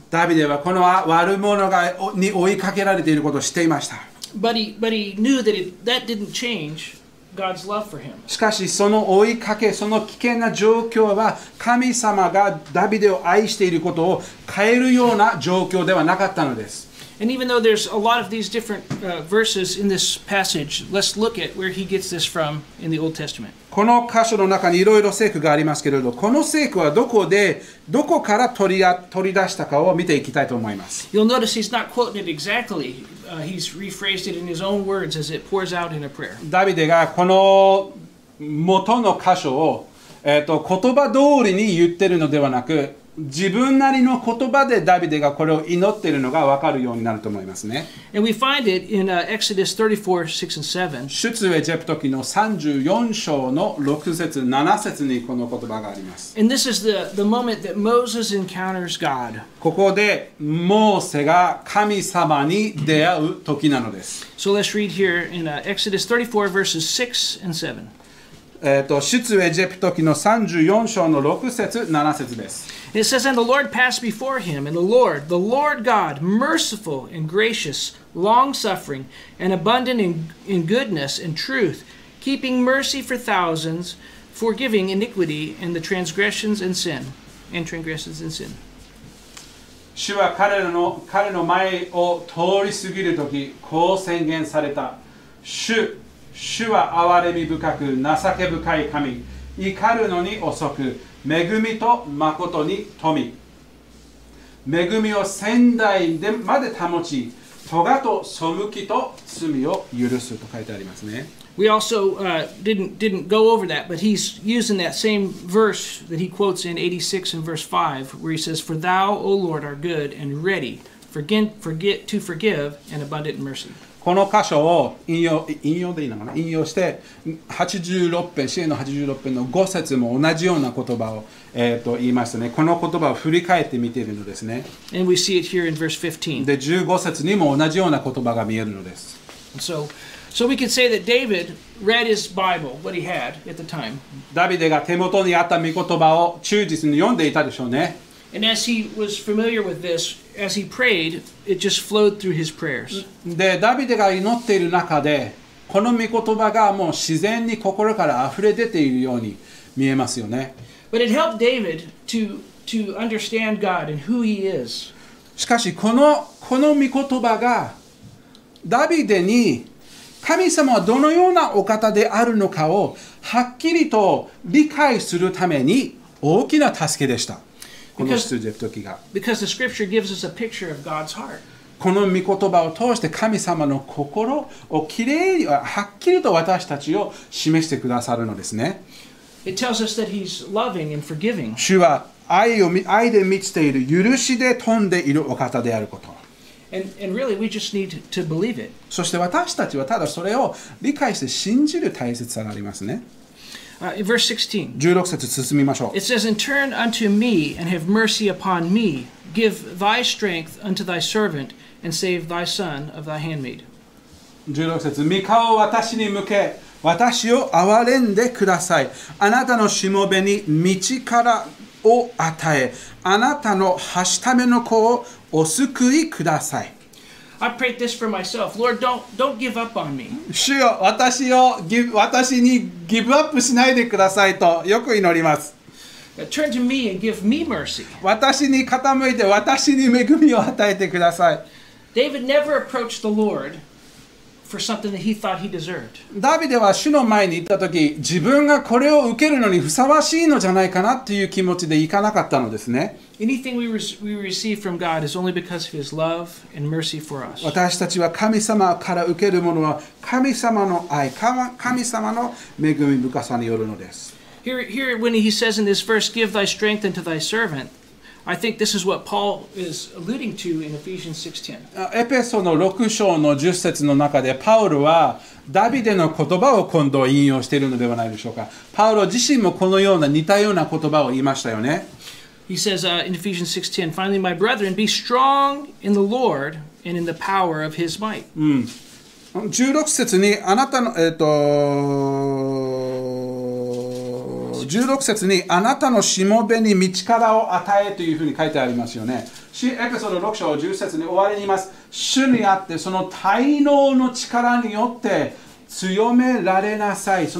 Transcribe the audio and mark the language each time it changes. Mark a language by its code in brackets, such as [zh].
[ja] ダビデはこの悪者がに追いかけられていることを知っていました。 [en] But he knew that that didn't change God's love for him. [ja] しかしその追いかけ、その危険な状況は神様がダビデを愛していることを変えるような状況ではなかったのです。 [en] And even though there's a lot of these different verses in this passage, let's look at where he gets this from in the Old Testament. [ja] この箇所の中にいろいろ聖句がありますけれど、この聖句はどこから取り出したかを見ていきたいと思います。 [en] You'll notice he's not quoting it exactly. He's rephrased it in his own words as it pours out in a prayer. [ja] ダビデがこの元の箇所を、言葉通りに言ってるのではなく、自分なりの言葉でダビデがこれを祈ってるのが分かるようになると思いますね。 [en] And we find it in Exodus 34, 6 and 7. [ja] 出エジプト記の34章の6節、7節にこの言葉があります。 [en] And this is the moment that Moses encounters God. [ja] ここでモーセが神様に出会う時なのです。 [en] So let's read here in Exodus 34, verses 6 and 7. [ja] 出エジプト記の34章の6節7節です。 [en] It says, and the Lord passed before him, and the Lord God, merciful and gracious, long-suffering, and abundant in goodness and truth, keeping mercy for thousands, forgiving iniquity and the transgressions and sin, and transgressions and sin. [ja] 主は彼の前を通り過ぎる時こう宣言された。主は憐れみ深く情け深い神、怒るのに遅く、恵みと誠に富、恵みを仙台でまで保ち、とがと背きと罪を許すと書いてありますね。 [en] We also didn't go over that, but he's using that same verse that he quotes in 86 and verse 5, where he says, For thou, O Lord, are good and ready, forget to forgive and abundant in mercy. [ja] この箇所を引用でいいのかな、引用して86編、詩篇の86編の5節も同じような言葉を、言いましたね。この言葉を振り返って見ているのですね。 [en] And we see it here in verse 15. [ja] で、15節にも同じような言葉が見えるのです。 [en] So we can say that David read his Bible, what he had at the time. [ja] ダビデが手元にあった御言葉を忠実に読んでいたでしょうね。 [en] And as he was familiar with this, as he prayed, it just flowed through his prayers. [ja] で、ダビデが祈っている中で、この御言葉がもう自然に心から溢れ出ているように見えますよね。 [en] But it helped David to understand God and who he is. [ja] しかし、この御言葉がダビデに神様はどのようなお方であるのかをはっきりと理解するために大きな助けでした。この出エジプト記が。 [en] Because the scripture gives us a picture of God's heart. [ja] この御言葉を通して神様の心をきれいにはっきりと私たちを示してくださるのですね。 [en] It tells us that he's loving and forgiving. [ja] 主は愛で満ちている、許しで富んでいるお方であること。 [en] And really, we just need to believe it. [ja] そして私たちはただそれを理解して信じる大切さがありますね。 [en] Verse 16. [ja] 16節進みましょう。 [en] It says, And turn unto me, and have mercy upon me. Give thy strength unto thy servant, and save thy son of thy handmaid. [ja] 16節。御顔を私に向け、私を憐れんでください。あなたのしもべに道からを与え、あなたのはしための子をお救いください。 [en] I prayed this for myself. Lord, don't give up on me. [ja] 主よ、私にギブアップしないでくださいとよく祈ります。 [en] Turn to me and give me mercy. [ja] 私に傾いて私に恵みを与えてください。 [en] David never approached the Lord for something that he thought he deserved. [ja] ダビデは主の前に行った時、自分がこれを受けるのにふさわしいのじゃないかなという気持ちで行かなかったのですね。 [en] Anything we receive from God is only because of His love and mercy for us. [ja] 私たちは神様から受けるものは神様の愛、神様の恵み深さによるのです。 [en] Here, when he says in this verse, "Give thy strength unto thy servant," I think this is what Paul is alluding to in Ephesians 6:10. [ja] エペソの6章の10節の中でパウロはダビデの言葉を今度引用しているのではないでしょうか。パウロ自身もこのような似たような言葉を言いましたよね。 [en] He says in Ephesians 6:10, Finally, my brethren, be strong in the Lord and in the power of his might. [ja] 16節にあなたの、16節にあなたのしもべに道からを与えというふうに書いてありますよね。エペソード6章10節に終わりに言います。主にあってその大能の力によって強められなさい。